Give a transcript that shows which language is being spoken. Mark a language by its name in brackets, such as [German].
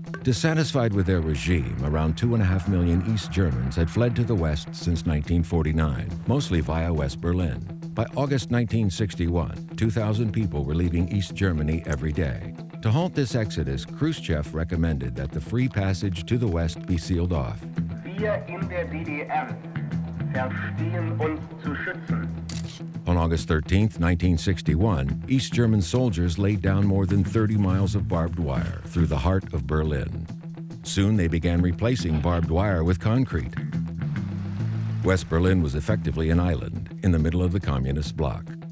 [English] Dissatisfied with their regime, around 2.5 million East Germans had fled to the West since 1949, mostly via West Berlin. By August 1961, 2,000 people were leaving East Germany every day. To halt this exodus, Khrushchev recommended that the free passage to the West be sealed off. [German] Wir in der DDR verstehen uns zu schützen. [English] On August 13, 1961, East German soldiers laid down more than 30 miles of barbed wire through the heart of Berlin. Soon they began replacing barbed wire with concrete. West Berlin was effectively an island in the middle of the communist bloc.